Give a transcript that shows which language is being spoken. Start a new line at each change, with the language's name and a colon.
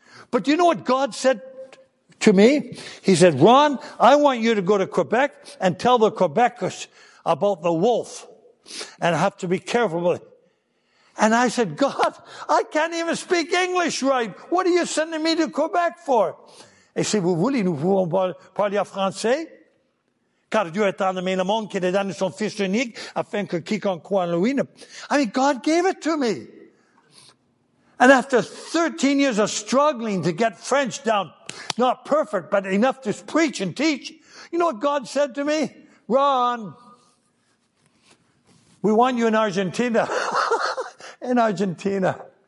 English: But you know what God said to me? He said, Ron, I want you to go to Quebec and tell the Quebecers about the wolf and have to be careful. And I said, God, I can't even speak English right. What are you sending me to Quebec for?
French: Et si vous voulez, nous pouvons parler français? Car Dieu a tant aimé le monde qu'il a donné son fils unique afin que quiconque croit en lui.
English: I mean, God gave it to me. And after 13 years of struggling to get French down, not perfect, but enough to preach and teach, you know what God said to me? Ron, we want you in Argentina. In Argentina.